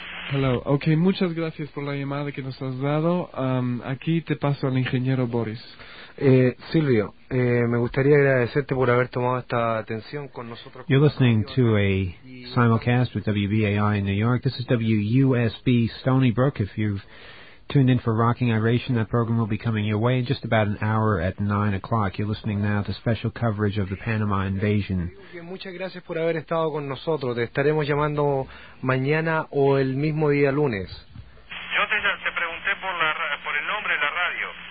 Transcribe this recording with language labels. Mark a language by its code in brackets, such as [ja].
[es] Hello, okay, muchas gracias por la llamada que nos has dado. Aquí te paso al ingeniero Boris. Silvio, me gustaría agradecerte por haber tomado esta atención con nosotros. [en] You're listening to a simulcast with WBAI in New York. This is WUSB Stony Brook. If you've tuned in for Rocking Iration, that program will be coming your way in just about an hour at 9 o'clock. You're listening now to special coverage of the Panama invasion. [es] Muchas gracias por haber estado con nosotros. Te estaremos llamando mañana o el mismo día lunes. Yo te pregunté por el nombre de la radio.